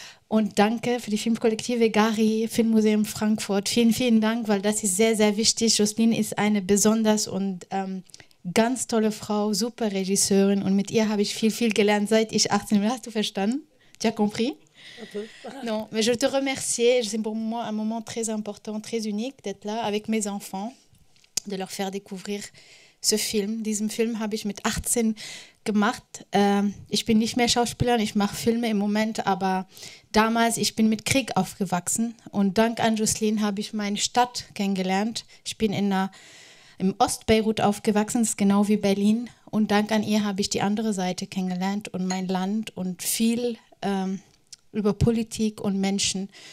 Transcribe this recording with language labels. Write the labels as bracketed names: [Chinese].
[German] Und danke für die Filmkollektive Gari, Filmmuseum Frankfurt. Vielen, vielen Dank, weil das ist sehr, sehr wichtig. Jocelyne ist eine besonders und ganz tolle Frau, super Regisseurin. Und mit ihr habe ich viel, viel gelernt, seit ich 18 bin. Hast du verstanden? [French] Tu as compris? Non, mais je te remercie. C'est pour moi un moment très important, très unique d'être là avec mes enfants, de leur faire découvrir ce film. [German] Diesen Film habe ich mit 18 gemacht. Ich bin nicht mehr Schauspielerin, ich mache Filme im Moment, aber damals, ich bin mit Krieg aufgewachsen, und dank an Jocelyne habe ich meine Stadt kennengelernt. Ich bin im Ost-Beirut aufgewachsen, das ist genau wie Berlin, und dank an ihr habe ich die andere Seite kennengelernt und mein Land und viel über Politik und Menschen.